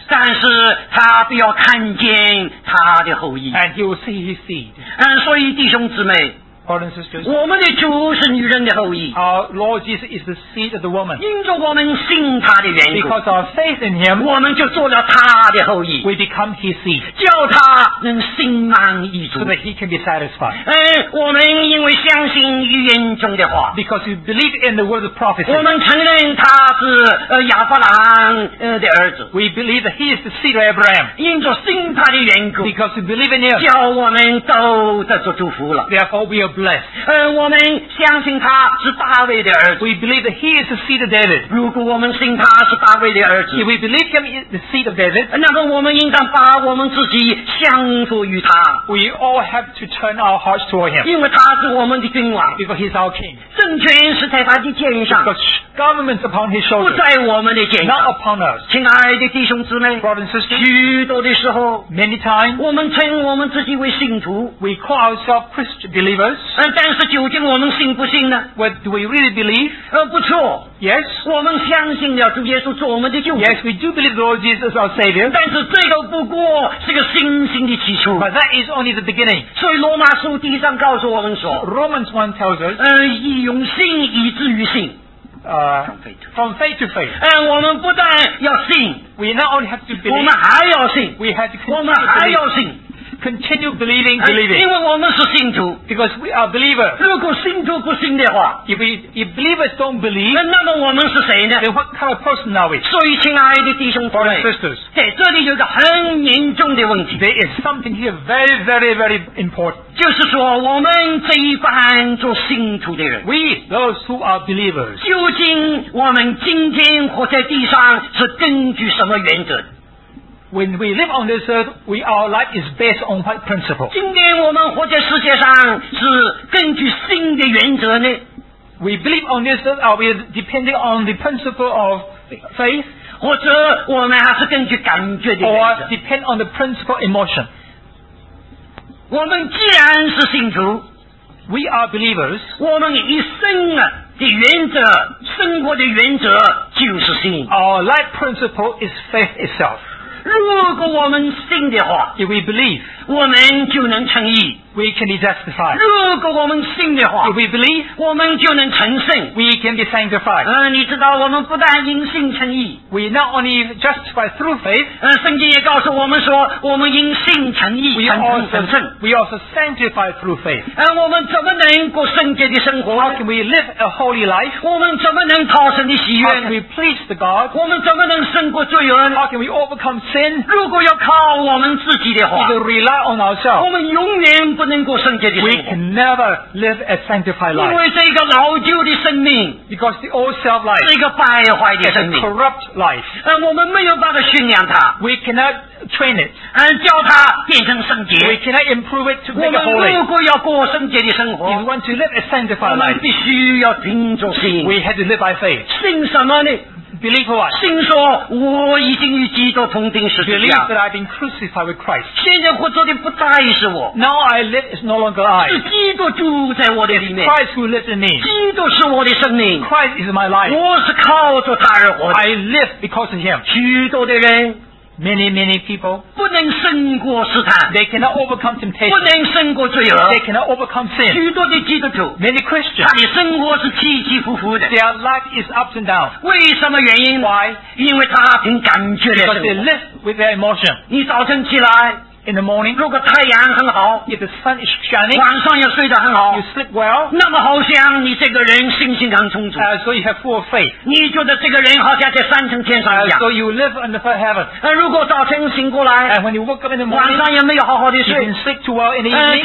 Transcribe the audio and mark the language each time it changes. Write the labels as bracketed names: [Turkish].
[Chinese] 但是他不要看见他的后裔。 [English] And he will see his seed. [Chinese] 所以弟兄姊妹。 [English] Pardon, sisters. [Chinese] 我们的主是女人的后裔。 [English] Our Lord Jesus is the seed of the woman. [Chinese] 因着我们信他的缘故。 [English] Because our faith in him, [Chinese] 我们就做了他的后裔。 [English] We become his seed. [Chinese] 叫他能心满意足。 [English] So that he can be satisfied. [Chinese] 我们因为相信预言中的话。 [English] Because we believe in the word of prophecy. [Chinese] 我们承认他是亚伯拉罕的儿子。 [English] We believe that he is the seed of Abraham. [Chinese] 因着信他的缘故。 [English] Because we believe in him. [Chinese] 叫我们都得着祝福了。 [English] Therefore, we are [Chinese] 我们相信他是大卫的儿子。 [English] We believe that he is the seed of David. [Chinese] 如果我们信他是大卫的儿子。 [English] If we believe him is the seed of David. [Chinese] 那么我们应当把我们自己相服于他。 [English] We all have to turn our hearts toward him. [Chinese] 因为他是我们的君王。 [English] Because he's our king. [Chinese] 政权是在他的肩上。 [English] Because government's upon his shoulders. [Chinese] 不在我们的肩上。 [English] Not upon us. [Chinese] 亲爱的弟兄姊妹。 [English] Brothers and sisters. [Chinese] 许多的时候。 [English] Many times. [Chinese] 我们称我们自己为信徒。 [English] We call ourselves Christian believers. [Chinese] 但是究竟我们信不信呢？ [English] What do we really believe? [Chinese] 不错。 [English] Yes. [Chinese] 我们相信了主耶稣做我们的救主。 [English] Yes, we do believe the Lord Jesus our Savior. [Chinese] 但是这个不过是个信心的基础。 [English] But that is only the beginning. [Chinese] 所以罗马书第一章告诉我们说。 [English] Romans 1 tells us. [Chinese] 以用信以至于信。 [English] From faith to faith. [Chinese] 我们不但要信。 [English] We not only have to believe. [Chinese] 我们还要信。 [English] We have to continue. [Chinese] 我们还要信。 [English] Continue believing. [Chinese] 因为我们是信徒。 [English] Because we are believers. [Chinese] 如果信徒不信的话。 [English] If believers don't believe. [Chinese] 那么我们是谁呢？ [English] Then what kind of person are we? [Chinese] 所以亲爱的弟兄姊妹。 [English] Brothers and sisters. [Chinese] 在这里有一个很严重的问题。 [English] There is something here very, very, very important. [Chinese] 就是说我们这一班做信徒的人。 [English] We, those who are believers. [Chinese] 究竟我们今天活在地上是根据什么原则？ [English] When we live on this earth, our life is based on what principle? [Chinese] 今天我们活在世界上是根据新的原则呢? [English] We believe on this earth, are we depending on the principle of faith? [Chinese] 或者我们还是根据感觉的原则? [English] Or depend on the principle of emotion? [Chinese] 我们既然是信徒, [English] we are believers, [Chinese] 我们一生啊的原则，生活的原则就是信。 [English] Our life principle is faith itself. [Chinese] 如果我们信的话 [English] If we believe [Chinese] 我们就能称义 [English] We can be justified [Chinese] 如果我们信的话 [English] If we believe [Chinese] 我们就能成圣 [English] We can be sanctified [Chinese] 你知道我们不但因信称义 [English] We not only justified through faith [Chinese] 圣经也告诉我们说我们因信称义 [English] We also sanctified through faith [Chinese] 我们怎么能过圣洁的生活 [English] How can we live a holy life [Chinese] 我们怎么能讨神的喜悦 [English] How can we please the God [Chinese] 我们怎么能胜过罪人 [English] How can we overcome sin [Chinese] 如果要靠我们自己的话 [English] We will rely on ourselves [Chinese] 我们永远不能过圣洁的生活 [English] We can never live a sanctified life [Chinese] 因为这个老旧的生命 [English] Because the old self life [Chinese] 是一个败坏的生命 [English] It's a corrupt life [Chinese] 我们没有办法训练它 [English] We cannot train it. [Chinese] 教他变成圣洁。 [English] We cannot improve it to make it holy. [Chinese] 如果要过圣洁的生活， [English] if we want to live a sanctified life, [Chinese] 我们必须要凭着信。 [English] We have to live by faith. [Chinese] 信什么呢？ [English] Believe what? [Chinese] 信说我已经与基督同钉十字架。 [English] Believe that I've been crucified with Christ. [Chinese] 现在活着的不再是我。 [English] Now I live is no longer I. [Chinese] 是基督住在我的里面。 [English] It's Christ who lives in me. [Chinese] 基督是我的生命。 [English] Christ is my life. [Chinese] 我是靠着他而活的。 [English] I live because of Him. [Chinese] 许多的人。 [English] Many, many people [Chinese] 不能胜过试探。 [English] They cannot overcome temptation. [Chinese] 不能胜过罪恶。 [English] They cannot overcome sin. [Chinese] 许多的基督徒。 [English] Many Christians. [Chinese] 他的生活是起起伏伏的。 [English] Their life is ups and downs. [Chinese] 为什么原因？ [English] Why? [Chinese] 因为他凭感觉来生活。 [English] Because they live with their emotion. [Chinese] 你早晨起来。 [English] In the morning. [Chinese] 如果太阳很好。 [English] If the sun is shining. [Chinese] 晚上又睡得很好。 [English] You sleep well. [Chinese] 那么好像你这个人信心很充足。 [English] So you have full of faith. [Chinese] 你觉得这个人好像在三层天上一样。 [English] So you live in the third heaven. [Chinese] 如果早晨醒过来。 [English] And when you woke up in the morning. [Chinese] 晚上也没有好好的睡。 [English] You didn't sleep too well in the evening.